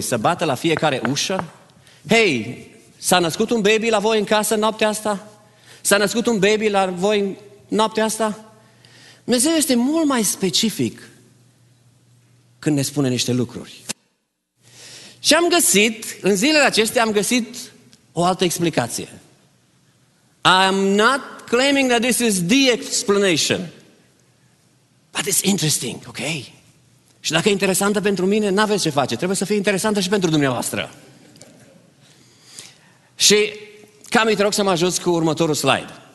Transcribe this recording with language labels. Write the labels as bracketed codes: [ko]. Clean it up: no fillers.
[ro] Să bată la fiecare ușă? Hei, s-a născut un baby la voi în casă noaptea asta? S-a născut un baby la voi noaptea asta? Dumnezeu este mult mai specific când ne spune niște lucruri. Și am găsit, în zilele acestea, am găsit o altă explicație. [en] I'm not claiming that this is the explanation. But it's interesting, ok? [ro] Și dacă e interesantă pentru mine, n-aveți ce face. Trebuie să fie interesantă și pentru dumneavoastră. Și, Cami, te rog să mă ajuți cu următorul slide.